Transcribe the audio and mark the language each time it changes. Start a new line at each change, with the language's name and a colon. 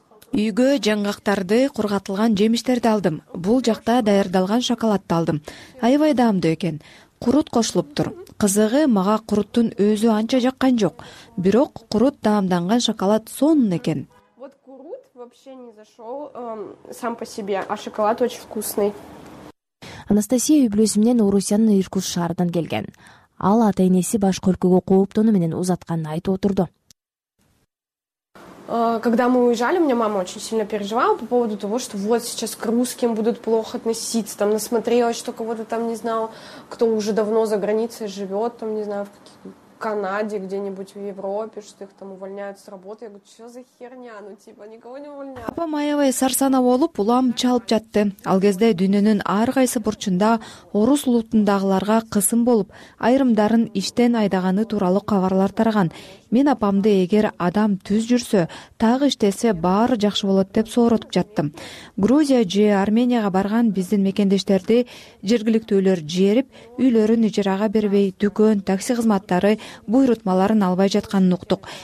Kyrgyz: Үйгө жаңгактарды, кургатылган жемиштерди алдым. Бул жакта даярдалган шоколадты алдым. Аябай даамдуу экен. Курут кошулуптур. Кызыгы, мага куруттун өзү анча жаккан жок. Бирок курут даамданган шоколад сонун экен.
Russian: Вот курут вообще не зашёл сам по себе, а шоколад очень вкусный.
Kyrgyz: Анастасия үйлөсү менен Орусиянын Иркутск шаарынан келген. Ал ата-энеси башка өлкөгө кооптонуу менен узатканын айтып отурду.
Russian: Когда мы уезжали, у меня мама очень сильно переживала по поводу того, что вот сейчас к русским будут плохо относиться, там насмотрелась, что кого-то там не знала, кто уже давно за границей живет, там не знаю, в Канаде, где-нибудь в Европе, что их там увольняют с работы. Я говорю, что за херня, ну типа никого не увольняют.
Kyrgyz: Апа маевай сарсана болуп, улам чалып жатты. Ал кезде дүйнөнүн ар кайсы бурчунда орус улутундагыларга кысым болуп, айрымдарын иштен айдаганы тууралуу кабарлар тараган. Мен апамды эгер адам түз жүрсө, тагы иштесе баары жакшы болот деп сооротуп жаттым. Грузия же Арменияга барган биздин мекендештерди жергиликтүүлөр жиберип, үйлөрүн ижарага бербей, дүкөн, такси кызматтары буйрутмаларын албай жатканын уктук.